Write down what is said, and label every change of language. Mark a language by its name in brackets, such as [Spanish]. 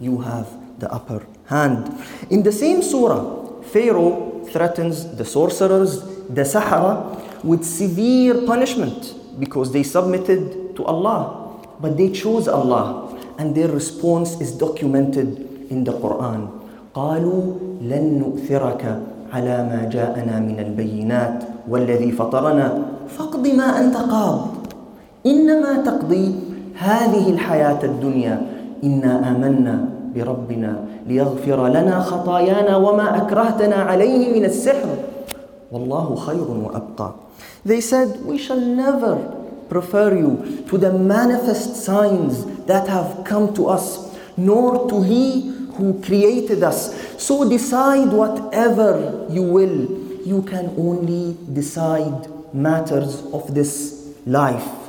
[English] You have the upper hand. In the same surah, Pharaoh threatens the sorcerers, the sahara, with severe punishment because they submitted to Allah. But they chose Allah, and their response is documented in the Quran. [Arabic] قالوا لن نؤثرك على ما جاءنا من البينات والذي فطرنا فاقض ما أنت قاض إنما تقضي هذه الحياة الدنيا إنا آمنا بربنا ليغفر لنا خطايانا وما أكرهتنا عليه من السحر والله خير وأبقى. [English] They said, we shall never prefer you to the manifest signs that have come to us, nor to he who created us. So decide whatever you will. You can only decide matters of this life.